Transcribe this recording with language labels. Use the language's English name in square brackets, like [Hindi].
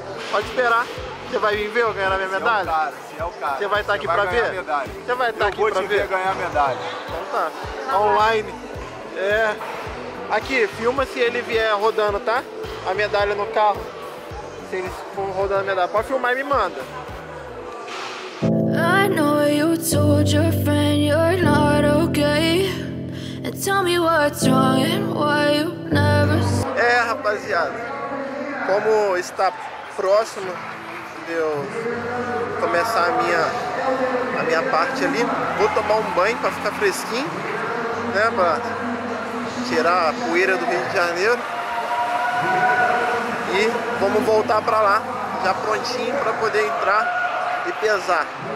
[Portuguese] Pode esperar, você vai vir ver eu ganhar a minha medalha? Você é o cara. Você vai estar aqui pra ver? Você vai estar aqui pra ver? Eu vou te ver ganhar a medalha. Então tá, online. É. Aqui, filma se ele vier rodando, tá? A medalha no carro. Se eles for rodando a medalha. Pode filmar e me manda. [English] I know you told your friend you're not okay. And tell me what's wrong and why you never... [Portuguese] É, rapaziada. Como está... próximo de eu começar a minha parte ali, vou tomar um banho para ficar fresquinho, né, para tirar a poeira do Rio de Janeiro, e vamos voltar para lá já prontinho para poder entrar e pesar.